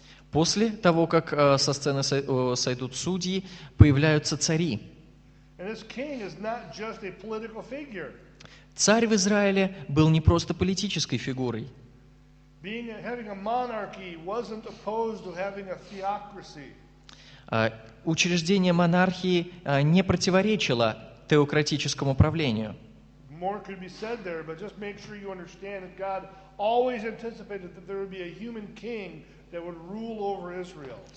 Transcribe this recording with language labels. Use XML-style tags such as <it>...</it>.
<ru>После того, как со сцены сойдут судьи, появляются цари.</ru> <en>And this king is not just a political figure.</en> <ru>Царь в Израиле был не просто политической фигурой.</ru> <en>Having a monarchy wasn't opposed to having a theocracy.</en> <ru>Учреждение монархии не противоречило теократическому правлению.</ru> <en>More could be said there, but just make sure you understand that God always anticipated that there would be a human king that would rule over Israel.</en>